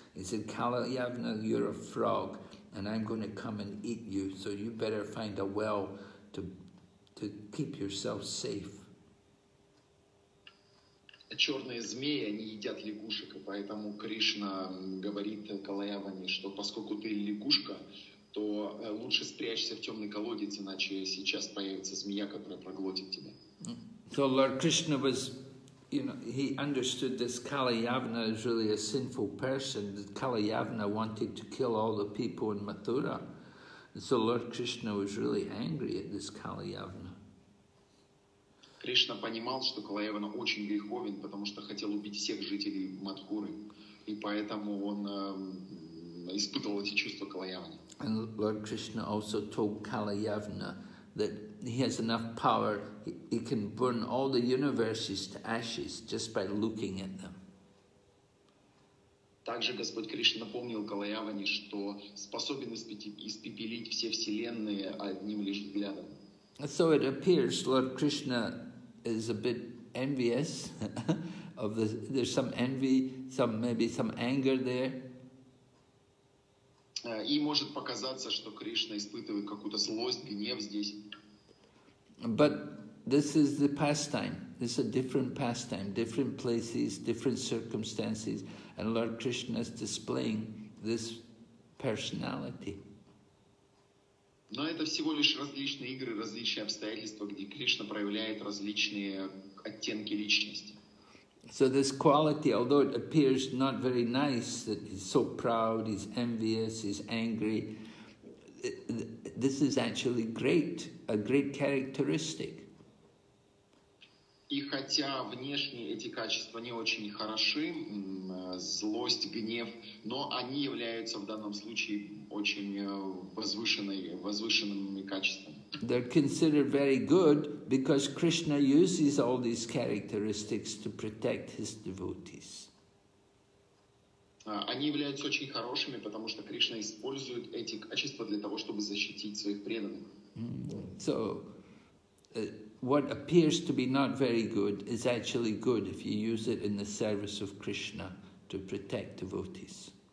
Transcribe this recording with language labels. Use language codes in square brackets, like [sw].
[en] He said, Kalayavana, you're a frog, and I'm going to come and eat you, so you better find a well to keep yourself safe. [ru] Черные змеи, они едят лягушек, и поэтому Кришна говорит Калаяване, что поскольку ты лягушка, то лучше спрячься в темный колодец, иначе сейчас появится змея, которая проглотит тебя. [en] So Lord Krishna was, you know, he understood this Kalayavana is really a sinful person. Kalayavana wanted to kill all the people in Mathura. So Lord Krishna was really angry at this Kalayavana. [ru] Кришна понимал, что Калаявана очень греховен, потому что хотел убить всех жителей Матхуры, и поэтому он испытывал эти чувства Калаявана. [en] And Lord Krishna also told Kalayavana that he has enough power, he can burn all the universes to ashes just by looking at them. [ru] Также Господь Кришна напомнил Калаявани, что способен испепелить все вселенные одним лишь взглядом. [en] So it appears Lord Krishna is a bit envious of the. There's some envy, some maybe some anger there. [ru] И может показаться, что Кришна испытывает какую-то злость, гнев здесь. [en] But this is the pastime. This is a different pastime, different places, different circumstances, and Lord Krishna is displaying this personality. [ru] Но это всего лишь различные игры, различные обстоятельства, где Кришна проявляет различные оттенки личности. [en] So this quality, although it appears not very nice, that he's so proud, he's envious, he's angry, this is actually great, a great characteristic. [ru] И хотя внешне эти качества не очень хороши, злость, гнев, но они являются в данном случае очень возвышенными качествами. [en] They're considered very good because Krishna uses all these characteristics to protect his devotees. [ru] Они являются очень хорошими, потому что Кришна использует эти качества для того, чтобы защитить своих преданных. [en] So, what appears to be not very good is actually good if you use it in the service of Krishna to protect devotees.